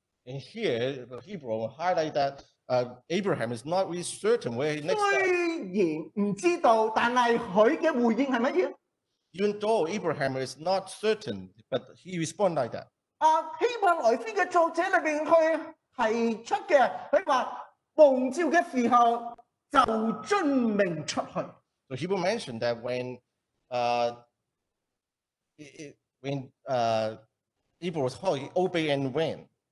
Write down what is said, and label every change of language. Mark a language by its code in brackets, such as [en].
[en] And here the Hebrew highlight that Abraham is not really certain where next step. [yue] 虽然不知道，但系佢嘅回应系乜嘢？ [en] Even though Abraham is not certain, but he responded like that. [yue] 希伯来书嘅作者里边佢提出嘅，佢话蒙召嘅时候。 [en] So Hebrew mentioned that when Hebrew was called, he obeyed and went.